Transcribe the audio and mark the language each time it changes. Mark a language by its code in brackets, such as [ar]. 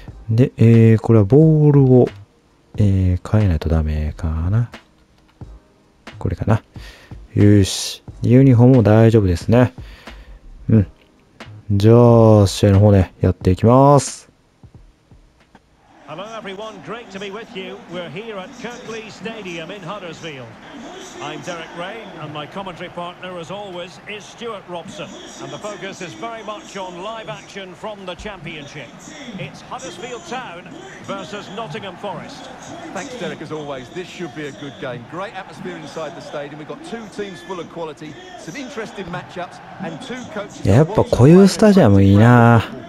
[ja] で、これはボールを、変えないとダメかな。これかな。よし。ユニフォームも大丈夫ですね。じゃあ、試合の方ね、やっていきます。 [en] Hello everyone, great to be with you. We're here at Kirkley Stadium in Huddersfield. I'm Derek Ray, and my commentary partner, as always, is Stuart Robson. And the focus is very much on live action from the Championship. It's Huddersfield Town versus Nottingham Forest. Thanks, Derek, as always. This should be a good game. Great atmosphere inside the stadium. We've got two teams full of quality, some interesting matchups, and two coaches. [ja] やっぱこういうスタジアムいいな。